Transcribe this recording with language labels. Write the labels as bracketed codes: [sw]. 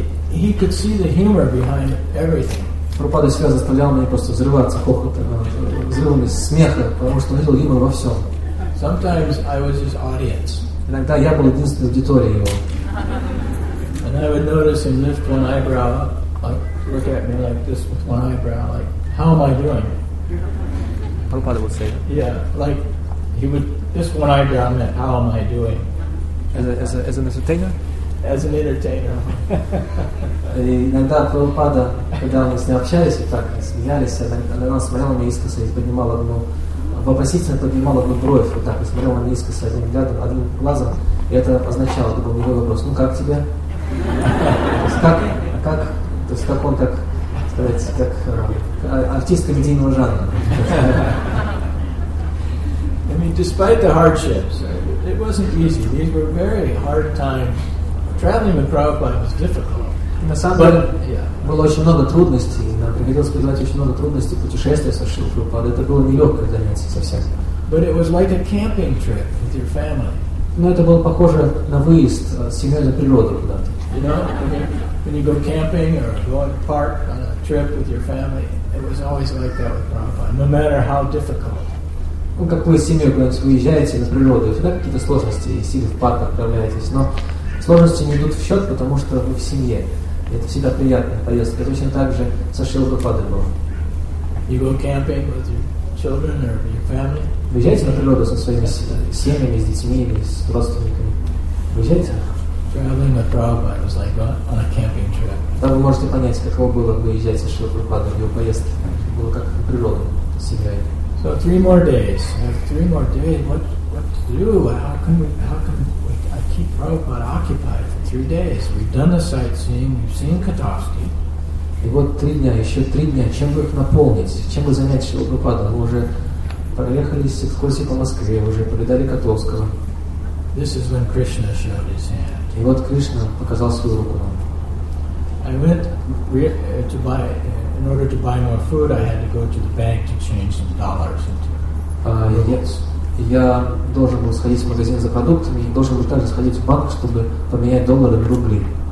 [en] He could see the humor behind everything. [ru] Прабхупада всегда заставлял меня просто взрываться хохотом, взрывами смеха, потому что он видел юмор во всем. [en] Sometimes I was his audience. [ru] Иногда я был единственной аудиторией его. [en] And I would notice him lift one eyebrow up, like, look at me like this with one eyebrow, like, how am I doing? Prabhupada would say. Yeah, like he would. This one eye drama. How am I doing? As an entertainer. As an entertainer. [ru] Иногда Прабхупада, когда мы с ним общались и так смеялись, она нас смотрела на искоса и поднимала одну, вопросительно поднимала одну бровь, вот так, и смотрела на искоса одним взглядом, одним глазом, и это означало, это был другой вопрос, ну как тебе? То есть как он, так сказать, как артист комедийного жанра? [en] I mean, despite the hardships, it wasn't easy. These were very hard times. Traveling with Prabhupada was difficult. [ru] На самом деле, было очень много трудностей, нам приходилось сказать очень много трудностей путешествия со Шрилой Прабхупадой. Это было нелегкое занятие совсем. [en] But it was like a camping trip with your family. [ru] Но это было похоже на выезд с семьей на природу куда-то. [en] You know, when you go camping or go to a park on a trip with your family, it was always like that with Prabhupada, no matter how difficult. [ru] Ну, как вы с семьей куда-нибудь выезжаете на природу, всегда какие-то сложности, сидя в парк отправляетесь, но сложности не идут в счет, потому что вы в семье. Это всегда приятная поездка. Точно так же со Шрилой Прабхупадой было. [en] You go camping with your children or your family? [ru] Выезжаете на природу со своими семьями, с детьми или с родственниками? Выезжаете? [en] Traveling with Prabhupada was like on a camping trip. [ru] Там вы можете понять, каково было выезжать со Шрилой Прабхупадой в его поездке. Было как на природу с семьей. [en] So three more days. I have three more days. What to do? How can we keep Prabhupada occupied for 3 days? We've done the sightseeing. We've seen Katovsky. [ru] И вот три дня, еще три дня. Чем бы их наполнить? Чем бы занять Шрилу Прабхупаду? Мы уже проехались экскурсии по Москве, уже повидали Котовского. [en] This is when Krishna showed his hand. [ru] И вот Кришна показал свою руку нам. [en] I went to buy. In order to buy more food, I had to go to the bank to change some dollars into yes. [ru] Я должен был сходить в магазин за продуктами, и должен был также сходить в банк, чтобы поменять доллары в рубли.